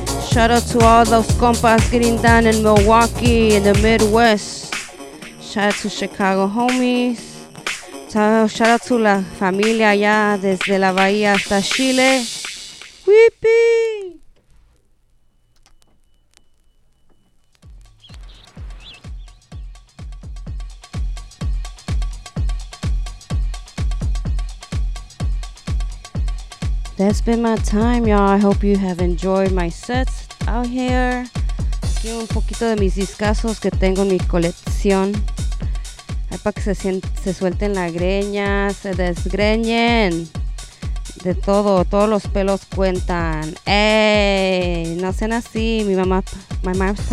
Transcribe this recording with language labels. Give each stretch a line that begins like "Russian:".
English: Shout out to all those compas grindan in Milwaukee, in the Midwest. Shout out to Chicago homies. Shout out to
Spanish: la familia allá desde la Bahía hasta Chile. ¡Wipi!
English: That's been my time, y'all. I hope you have enjoyed my sets out here.
Spanish: Aquí un poquito de mis discazos que tengo en mi colección. Ay, para que se suelten la greña, se desgreñen. De todo, todos los pelos cuentan. ¡Ey! No sean así, mi mamá.
English: My mom's